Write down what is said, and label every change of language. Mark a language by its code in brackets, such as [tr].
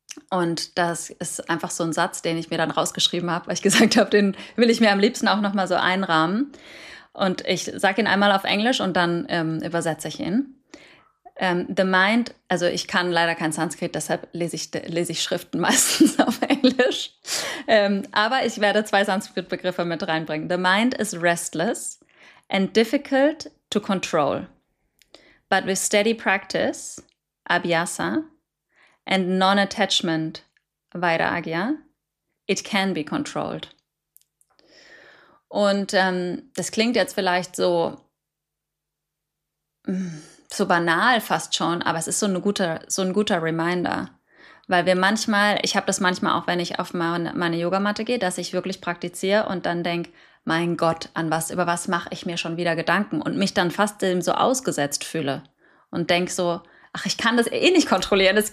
[de] Und das ist einfach so ein Satz, den ich mir dann rausgeschrieben habe, weil ich gesagt habe, den will ich mir am liebsten auch noch mal so einrahmen. Und ich sage ihn einmal auf Englisch und dann übersetze ich ihn. [en] The mind, [de] also ich kann leider kein Sanskrit, deshalb lese ich Schriften meistens auf Englisch. Aber ich werde zwei Sanskrit-Begriffe mit reinbringen. [en] The mind is restless and difficult to control. But with steady practice, Abhyasa, and non-attachment, Vairagya, it can be controlled. [de] Und das klingt jetzt vielleicht so banal fast schon, aber es ist so ein guter Reminder. Weil wir manchmal, ich habe das manchmal auch, wenn ich auf meine Yogamatte gehe, dass ich wirklich praktiziere und dann denke, mein Gott, über was mache ich mir schon wieder Gedanken und mich dann fast dem so ausgesetzt fühle und denke so, ach, ich kann das eh nicht kontrollieren.